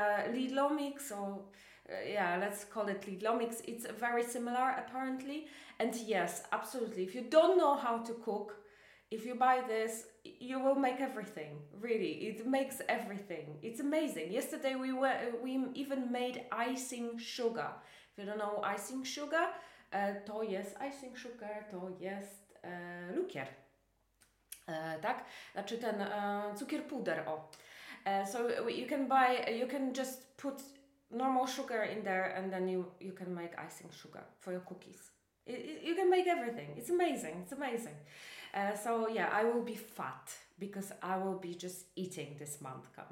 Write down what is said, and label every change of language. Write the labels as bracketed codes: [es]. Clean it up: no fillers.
[en] Lidlomix, let's call it Lidlomix. It's very similar apparently. And yes, absolutely. If you don't know how to cook, if you buy this, you will make everything, really. It makes everything. It's amazing. Yesterday we even made icing sugar. If you don't know icing sugar, [pl] to jest [en] icing sugar, [pl] to jest lukier. Tak? Znaczy ten cukier puder, o. [en] So you can just put normal sugar in there and then you can make icing sugar for your cookies. You can make everything. It's amazing. It's amazing. I will be fat because I will be just eating this month.